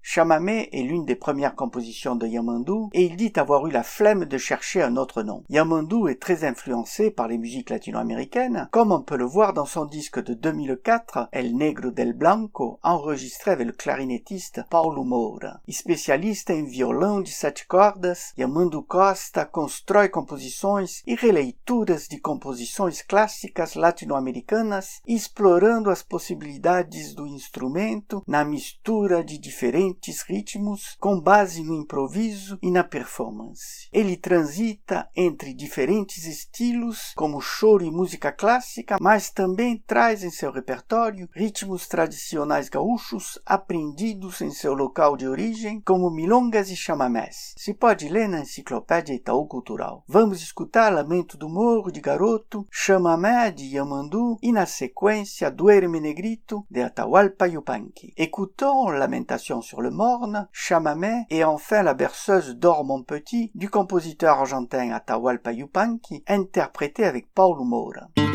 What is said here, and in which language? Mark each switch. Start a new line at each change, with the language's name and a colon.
French: Chamamé est l'une des premières compositions de Diamandu et il dit avoir eu la flemme de chercher un autre nom. Yamandu est très influencé par les musiques latino-américaines, comme on peut le voir dans son disque de 2004, El Negro del Blanco, enregistré avec le clarinettiste Paulo Moura. Il spécialiste en violon de 7 cordes,
Portuguese: Yamandu Costa construit composições e releituras de composições clássicas latino-americanas, explorando as possibilidades do instrumento na mistura de diferentes ritmos, com base no improviso e na performance. Ele transita entre diferentes estilos, como choro e música clássica, mas também traz em seu repertório ritmos tradicionais gaúchos aprendidos em seu local de origem, como milongas e chamamés. Se pode ler na Enciclopédia Itaú Cultural. Vamos escutar Lamento do Morro, de Garoto, Chamamé, de Yamandu, e na sequência Duerme Negrito, de Atahualpa Yupanqui.
French: Écoutons Lamentation sur le Morne, Chamamé, et enfin La berceuse d'Or mon petit, du compositeur argentin Atahualpa Yupanqui, interprété avec Paulo Moura.